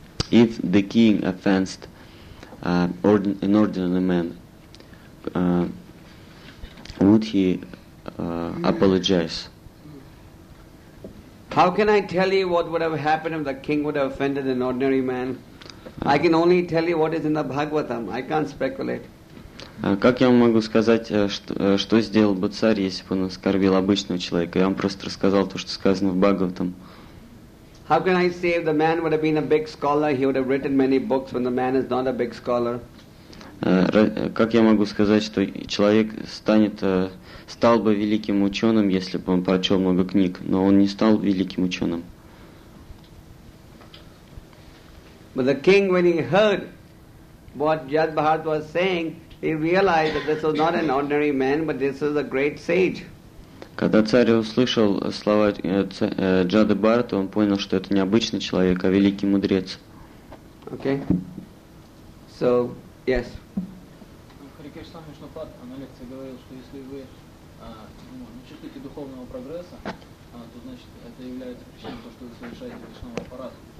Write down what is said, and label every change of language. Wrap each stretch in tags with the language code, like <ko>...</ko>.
<en>If the king offends an ordinary man, would he apologize? How can I tell you what would have happened if the king would have offended an ordinary man? I can only tell you what is in the Bhagavatam. I can't speculate.</en> <ru>Как я могу сказать, что сделал бы царь, если бы он оскорбил обычного человека? Я вам просто рассказал то, что сказано в Бхагаватам.</ru> <en>How can I say if the man would have been a big scholar, he would have written many books when the man is not a big scholar?</en> <ru>Как я могу сказать, что человек стал бы великим ученым, если бы он прочел много книг, но он не стал великим ученым?</ru> <en>But the king, when he heard what Jad Bharata was saying, he realized that this was not an ordinary man, but this was a great sage.</en> <ru>Когда царь услышал слова Джады Бхарата, он понял, что это не обычный человек, а великий мудрец.</ru> <en>Okay. So, yes.</en> <ru>Хари Кришна Мишнапад на лекции говорил, что если вы не чувствуете духовного прогресса, то значит это является причиной того, что вы совершаете Кришнава аппарат.</ru>